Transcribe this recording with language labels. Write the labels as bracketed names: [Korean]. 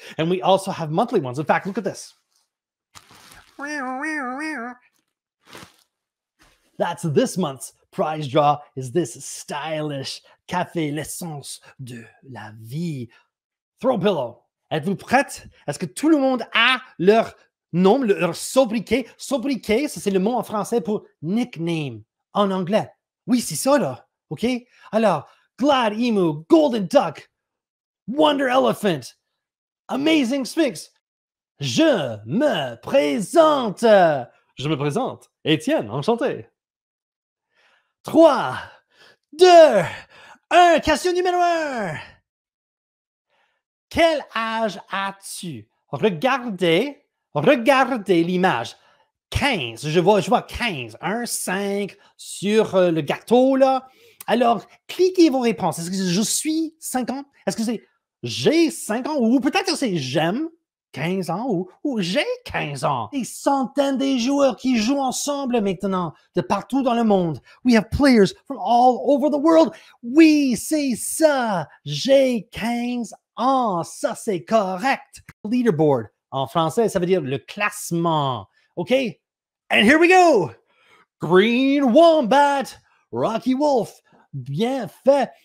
[English] And we also have monthly ones. In fact, look at this. That's this month's prize draw, is this stylish Café L'Essence de la Vie throw pillow. [French] Êtes-vous prête? Est-ce que tout le monde a leur nom, leur sobriquet? Sobriquet, ça c'est le mot en français pour nickname en anglais. Oui, c'est ça là, OK? Alors, Glad Emu, Golden Duck, Wonder Elephant, Amazing Sphinx. Je me présente. Je me présente. Étienne, enchanté. 3, 2, 1, question numéro 1. Quel âge as-tu? Regardez l'image. 15, je vois 15. 1, 5 sur le gâteau là. Alors, cliquez vos réponses. Est-ce que c'est je suis 5 ans? Est-ce que c'est j'ai 5 ans? Ou peut-être c'est j'aime 15 ans ou j'ai 15 ans. Des centaines de joueurs qui jouent ensemble maintenant de partout dans le monde. [English] We have players from all over the world. [French] Oui, c'est ça. J'ai 15 ans. Ça, c'est correct. Leaderboard. En français, ça veut dire le classement. OK? [English] And here we go. [French] Green Wombat. Rocky Wolf. Bien fait.